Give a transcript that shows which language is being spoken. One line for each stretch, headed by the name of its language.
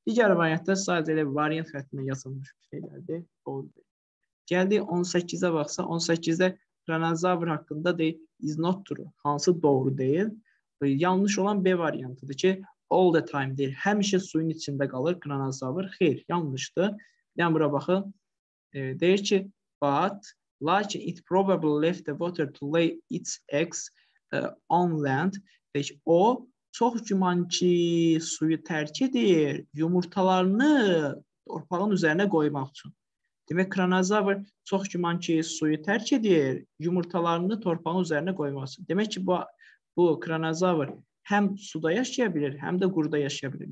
Azerbaijani: Digər variantda sadəcə elə variant xəttində yazılmış şeylərdir. Doğrudur. Gəldi 18-ə baxsa, 18-də Kranozavr haqqında deyil,
English: is not true.
Azerbaijani: Hansı doğru deyil? Yanlış olan B variantıdır ki,
English: all the time
Azerbaijani: deyil. Həmişə suyun içində qalır Kranozavr. Xeyr, yanlışdır. Yəni bura baxın. Deyir ki,
English: but,
Azerbaijani: lakin
English: it probably left the water to lay its eggs on land.
Azerbaijani: Deyir ki, o çox güman ki suyu tərk edir yumurtalarını torpağın üzərinə qoymaq üçün. Demək, Kranozavr çox güman ki, suyu tərk edir, yumurtalarını torpağın üzərinə qoymasın. Demək ki, bu Kranozavr həm suda yaşaya bilir, həm də quruda yaşaya bilir.